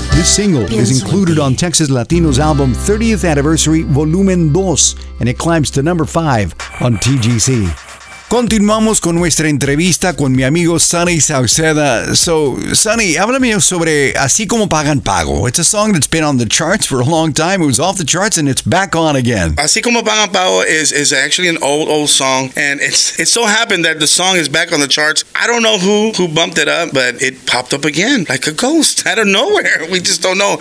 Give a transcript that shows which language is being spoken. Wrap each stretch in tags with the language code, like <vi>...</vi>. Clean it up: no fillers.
<en>This single is included on Texas Latino's album 30th Anniversary Volumen 2, and it climbs to number 5 on TGC.</en> <es>Continuamos con nuestra entrevista con mi amigo Sonny Sauceda. So, Sonny, háblame sobre Así Como Pagan Pago.</es> <en>It's a song that's been on the charts for a long time. It was off the charts and it's back on again. Así Como Pagan Pago is actually an old song. And it so happened that the song is back on the charts. I don't know who bumped it up, but it popped up again like a ghost out of nowhere. We just don't know.</en>